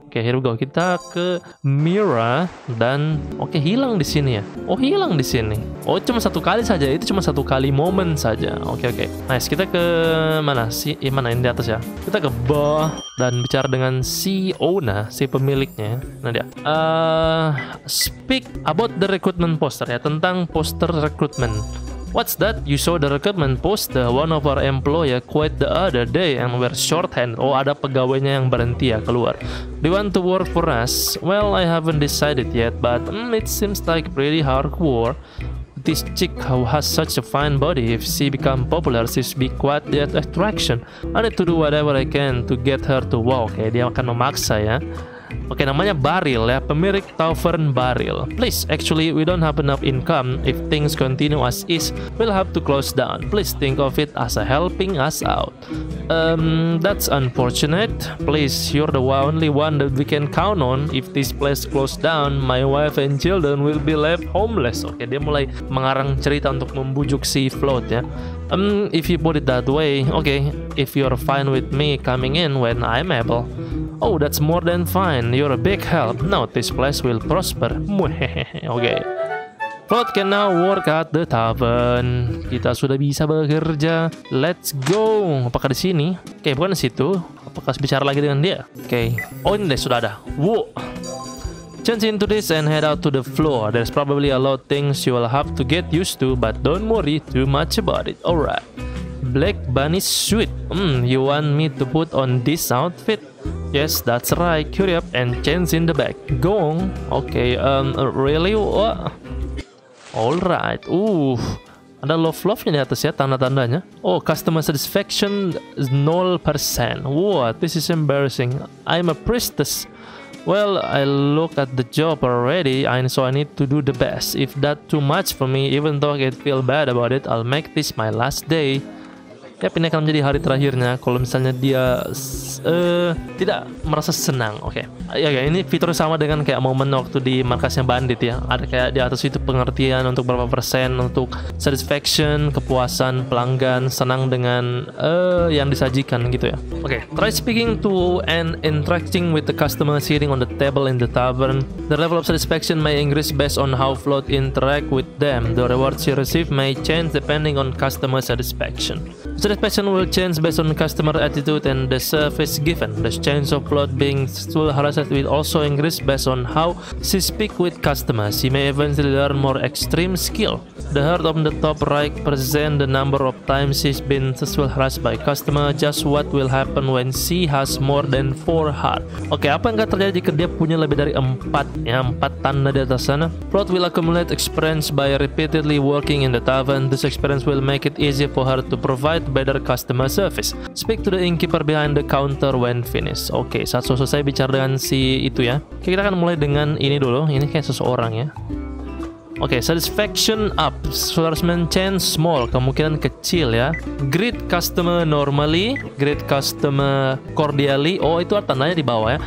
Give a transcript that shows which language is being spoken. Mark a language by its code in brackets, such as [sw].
[id] Oke, [en] here we go. [id] Kita ke Mira dan oke, hilang di sini ya. Oh, hilang di sini. Oh, cuma satu kali saja. Itu cuma satu kali momen saja. Oke, oke. Nice. Kita ke mana sih? Mana ini di atas ya? Kita ke bawah dan bicara dengan si Ona, si pemiliknya. Nah, dia. [en] Speak about the recruitment poster ya, [id] tentang poster recruitment. [en] What's that? You saw the recruitment poster. One of our employer quit the other day and were shorthanded. [id] Oh, ada pegawainya yang berhenti ya, keluar. [en] Do you want to work for us? Well, I haven't decided yet, but it seems like pretty hard work. This chick who has such a fine body, if she become popular, she should be quite the attraction. I need to do whatever I can to get her to walk. [id] Eh, dia akan memaksa ya. Oke, namanya Baril ya, pemilik tavern Baril. [en] Please, actually, we don't have enough income. If things continue as is, we'll have to close down. Please think of it as a helping us out. That's unfortunate. Please, you're the only one that we can count on. If this place close down, my wife and children will be left homeless. [id] Oke, dia mulai mengarang cerita untuk membujuk si Float ya. [en] If you put it that way, okay. If you're fine with me coming in when I'm able. Oh, that's more than fine. You're a big help. Now this place will prosper. Okay. Float can now work at the tavern. [id] Kita sudah bisa bekerja. [en] Let's go. [id] Apakah di sini? Okay, bukan di situ. Apakah bicara lagi dengan dia? Okay. Oh, ini sudah ada. Wow. [en] Change into this and head out to the floor. There's probably a lot of things you will have to get used to, but don't worry too much about it, alright? Black bunny suit. You want me to put on this outfit? Yes, that's right. Hurry up and change in the back. Go on. Okay, really? What? Alright. [id] Ada love-love di atas ya, tanda-tandanya. Oh, [en] customer satisfaction 0%. Wow, this is embarrassing. I'm a priestess. Well, I look at the job already, and so I need to do the best. If that too much for me, even though I feel bad about it, I'll make this my last day. [id] Yap, ini akan menjadi hari terakhirnya kalau misalnya dia tidak merasa senang. Okay. Ya, ini fitur sama dengan kayak momen waktu di markasnya bandit ya. Ada kayak di atas itu pengertian untuk berapa persen untuk satisfaction, kepuasan pelanggan, senang dengan yang disajikan gitu ya. Okay. [en] Try speaking to and interacting with the customer sitting on the table in the tavern. The level of satisfaction may increase based on how float interact with them. The rewards you receive may change depending on customer satisfaction. Satisfaction will change based on customer attitude and the service given. The chance of plot being sexual harassed will also increase based on how she speak with customers. She may eventually learn more extreme skill. The heart on the top right present the number of times she's been sexual harassed by customer. Just what will happen when she has more than 4 heart. [id] Okay, apa yang akan terjadi jika dia punya lebih dari 4 ya, 4 tanda di atas sana? [en] Plot will accumulate experience by repeatedly working in the tavern. This experience will make it easier for her to provide better customer service. Speak to the innkeeper behind the counter when finished. [id] Okay, saat selesai bicara dengan si itu ya. Okay, kita akan mulai dengan ini dulu. Ini kayak seseorang ya. Okay, [en] satisfaction up. Salesman chance small, [id] kemungkinan kecil ya. [en] Greet customer normally, greet customer cordially. [id] Oh, itu ada tandanya di bawah ya.